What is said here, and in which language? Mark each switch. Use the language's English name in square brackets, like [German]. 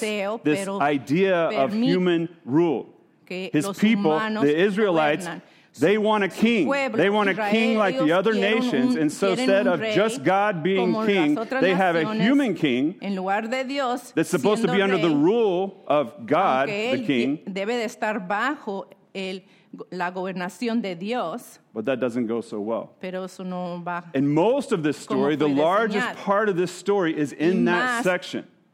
[Spanish] deseo, [English] this idea of human rule. His people, the Israelites, they want a king. [Spanish] Pueblo, [English] they want a king [Spanish] Israel, [English] like the other nations. [Spanish] Un, [English] and so instead of just God being king, they have a human king [Spanish] en lugar de Dios, [English] that's supposed to be [Spanish] rey, [English] under the rule of God, the king. [Spanish] Debe de estar bajo el, la gobernación de Dios. [English] But that doesn't go so well. [Spanish] Pero eso no va. [English] And most of this story, the largest part of this story is in that section.